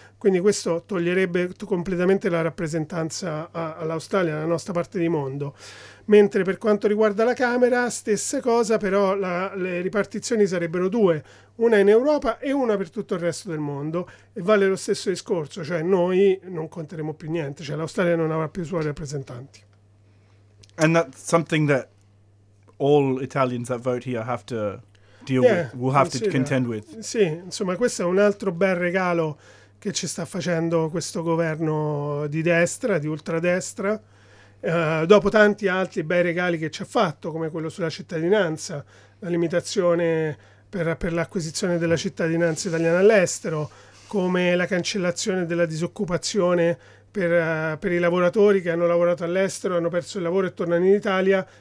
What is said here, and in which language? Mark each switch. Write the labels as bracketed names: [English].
[Italian] Quindi questo toglierebbe completamente la rappresentanza all'Australia, alla nostra parte di mondo. Mentre per quanto riguarda la Camera, stessa cosa, però le ripartizioni sarebbero due, una in Europa e una per tutto il resto del mondo. E vale lo stesso discorso, cioè noi non conteremo più niente, cioè l'Australia non avrà più i suoi rappresentanti. [English] And that's something that all Italians that vote here have to deal with, will have to contend with. [Italian] Sì, insomma, questo è un altro bel regalo che ci sta facendo questo governo di destra, di ultradestra, dopo tanti altri bei regali che ci ha fatto, come quello sulla cittadinanza, la limitazione per l'acquisizione della cittadinanza italiana all'estero, come la cancellazione della disoccupazione per i lavoratori che hanno lavorato all'estero, hanno perso il lavoro e tornano in Italia.